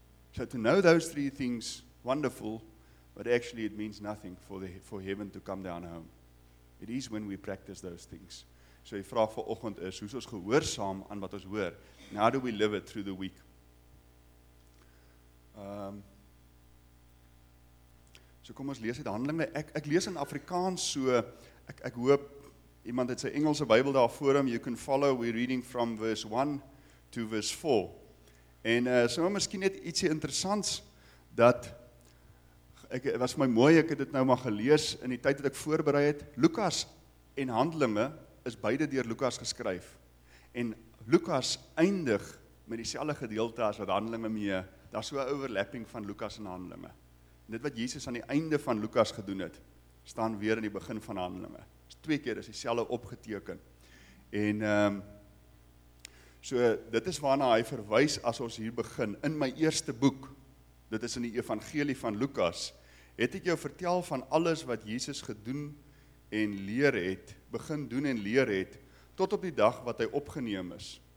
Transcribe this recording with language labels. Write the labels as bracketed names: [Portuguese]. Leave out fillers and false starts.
[English] So to know those 3 things, wonderful, but actually it means nothing for heaven to come down home. It is when we practice those things. [Afrikaans] So die vraag vir oggend is, hoe is ons gehoorsaam aan wat ons hoor? [English] And how do we live it through the week? [Afrikaans] So kom ons lees uit Handelinge. Ek lees in Afrikaans, so ek hoop iemand het sy Engelse Bybel daar voor hom. [English] You can follow, we're reading from verse 1 to verse 4. [Afrikaans] En sommer miskien net ietsie interessants dat Ek was my mooi, ek het dit nou maar gelees in die tyd wat ek voorberei het. Lukas en Handelinge is beide deur Lukas geskryf. En Lukas eindig met dieselfde gedeelte as wat Handelinge mee. Daar's so 'n overlapping van Lukas en Handelinge. En dit wat Jesus aan die einde van Lukas gedoen het, staan weer in die begin van Handelinge. Dit is 2 keer is dieselfde opgeteken. En so dit is waarna hy verwys as ons hier begin in my eerste boek. Dit is in die evangelie van Lukas, het ek jou vertel van alles wat Jesus gedoen en leer het, begin doen en leer het, tot op die dag wat hy opgeneem is.